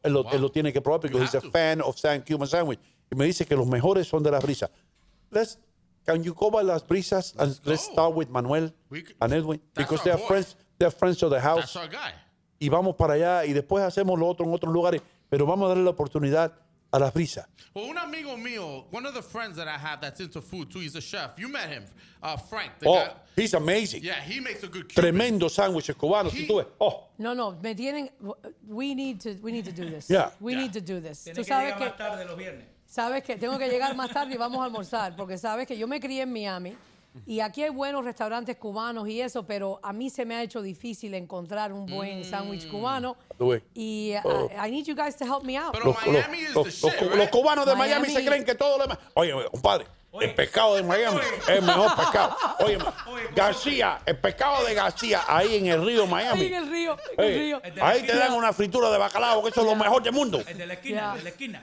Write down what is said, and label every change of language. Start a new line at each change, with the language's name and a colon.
Spanish: Él lo tiene que probar porque
English: he's a fan of San Cuban sandwich.
Spanish: Y me dice que los mejores son de La Brisa.
English: Can you go by Las Brisas? Let's start with Manuel and Edwin. Because they are friends of the house. That's our guy.
Spanish: Y vamos para allá y después hacemos lo otro en otros lugares. Pero vamos a darle la oportunidad a La Brisa.
English: Well,
Spanish: un amigo mío,
English: one of the friends that I have that's into food too, he's a chef. You met him, Frank. Guy, he's amazing. Yeah, he makes a good Cuban.
Spanish: Tremendo sándwiches cubanos. No, me tienen.
English: We need to do this. Yeah. We need to do this.
Spanish: Tú sabes que. Tienes que llegar más tarde los viernes. Sabes que tengo que llegar más tarde y vamos a almorzar, porque sabes que yo me crié en Miami y aquí hay buenos restaurantes cubanos y eso, pero a mí se me ha hecho difícil encontrar un buen sándwich cubano.
English: I need you guys to help me out.
Spanish: Pero los cubanos de Miami se creen que todo lo demás. Oye, compadre, el pescado de Miami es el mejor pescado. Oye, García, el pescado de García ahí en el río Miami. Ahí en el río. En el río. Ahí te dan una fritura de bacalao, que eso es lo mejor del mundo. El de la esquina, de la esquina.